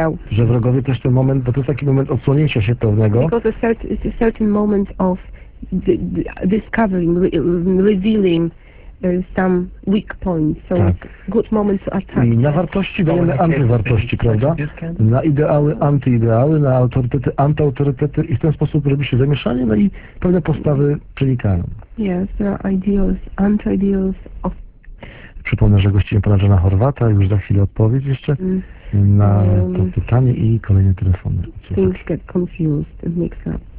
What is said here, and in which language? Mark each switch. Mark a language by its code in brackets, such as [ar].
[pl] Że wrogowie też ten moment, bo to jest taki moment odsłonięcia się pewnego. [en] Because it's a certain moment of discovering, revealing some weak points. [pl] So tak. [en] It's good moment to attack. [pl] I na wartości dajemy antywartości, prawda? Na ideały, antyideały, na autorytety, antyautorytety i w ten sposób robi się zamieszanie, no i pewne postawy przenikają. [en] Yes, there are ideals, anti-ideals of. [pl] Przypomnę, że gościmy pana Jana Horwata, już za chwilę odpowiedź jeszcze na to pytanie i kolejne telefony. [en] Things get confused and mixed up.